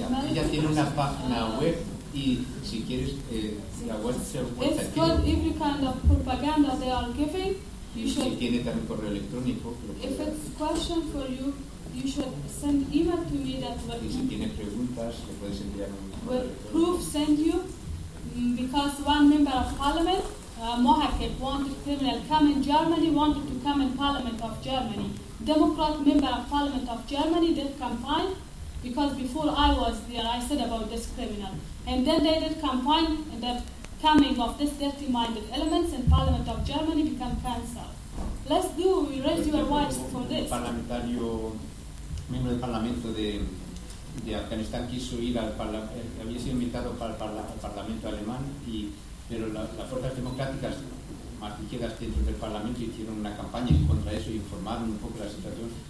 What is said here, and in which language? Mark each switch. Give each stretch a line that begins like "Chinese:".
Spanish: Ella tiene una página web y si quieres la web se puede hacer.
English: It's every kind of propaganda they are giving. You should.
Spanish: Si tiene también correo electrónico.
English: If it's question for you, you should send email to me that will.
Spanish: Y si tiene preguntas, le puedes enviar.
English: Will proof send you? Because one member of parliament, Mohakel, wanted criminal come in Germany, wanted to come in parliament of Germany. Democrat member of parliament of Germany did campaign. Because before I was there, I said about this criminal. And then they did combine the coming of this dirty-minded elements in Parliament of Germany become cancer. Let's do, we raise your voice for this.
Spanish: El parlamentario, miembro del Parlamento de Afganistán, quiso ir al Parlamento, había sido invitado para el Parlamento alemán, pero las fuerzas democráticas más izquierdas dentro del Parlamento hicieron una campaña en contra de eso y informaron un poco la situación.